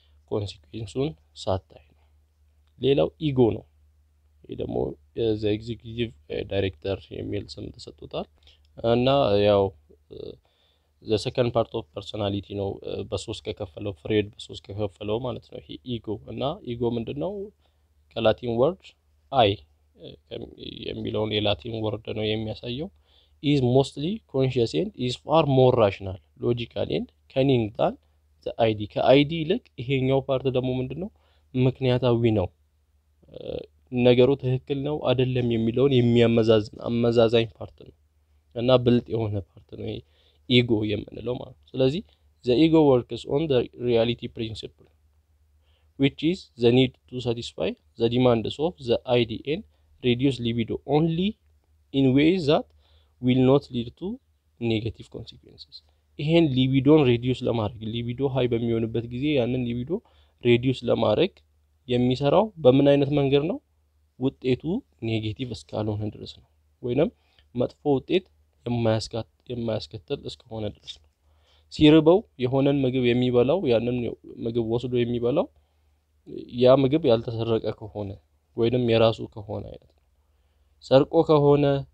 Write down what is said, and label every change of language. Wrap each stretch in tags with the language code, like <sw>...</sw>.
<am>ኮንሲኩዌንሱን ሳታይ ነው። ሌላው ኢጎ ነው። ይሄ ደግሞ ዘ ኤግዚኪቲቭ ዳይሬክተር የሚል ስም ተሰጥቶታል እና ያው</am> <en>the second part of personality</en> <am>ነው በሶስት ከከፈለው ፍሬድ በሶስት ከከፈለው ማለት ነው። ይሄ ኢጎ እና ኢጎ ምንድነው? ከላቲን ወርድ አይ የሚለውን የላቲን ወርድ ነው የሚያሳየው።</am> <en>is mostly conscious and is far more rational logical and cunning than the id</en> <am>ከid ይልቅ ይሄኛው ፓርት ደግሞ ምንድነው? ምክንያታዊ ነው። ነገሩ ትክክል ነው አይደለም የሚለውን የሚያመዛዝን አመዛዛኝ ፓርት ነው እና ብልጥ የሆነ ፓርት ነው ይሄ ኢጎ የምንለው ማለት። ስለዚህ</am> <en>the ego works on the reality principle which is the need to satisfy the demands of the id and reduce libido only in ways that will not lead to negative consequences.</en> <am>ይሄን ሊቢዶን ሬዲዩስ ለማድረግ ሊቢዶ ሃይ በሚሆንበት ጊዜ ያንን ሊቢዶ ሬዲዩስ ለማድረግ የሚሰራው በምን አይነት መንገድ ነው? ውጤቱ ኔጌቲቭ እስካልሆነ ድረስ ነው፣ ወይንም መጥፎ ውጤት የማያስጋት የማያስከትል እስከሆነ ድረስ ነው። ሲርበው የሆነን ምግብ የሚበላው ያንን ምግብ ወስዶ የሚበላው ያ ምግብ ያልተሰረቀ ከሆነ ወይንም የራሱ ከሆነ አይነት ነው። ሰርቆ ከሆነ</am>